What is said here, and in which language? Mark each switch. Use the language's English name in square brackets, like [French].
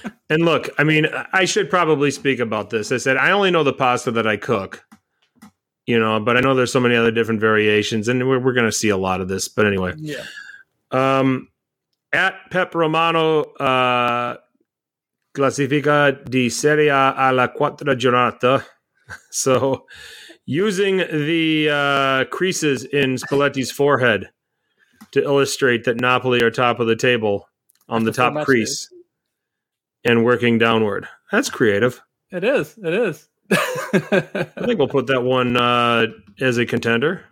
[English] And look, I mean, I should probably speak about this. I said, I only know the pasta that I cook, you know, but I know there's so many other different variations, and we're going to see a lot of this. But anyway. Yeah. [Italian] At Pep Romano, Classifica di Serie A alla quattro giornata. [English] So, using the creases in Spalletti's forehead to illustrate that Napoli are top of the table. On the top crease and working downward. That's creative. It is. I think we'll put that one as a contender.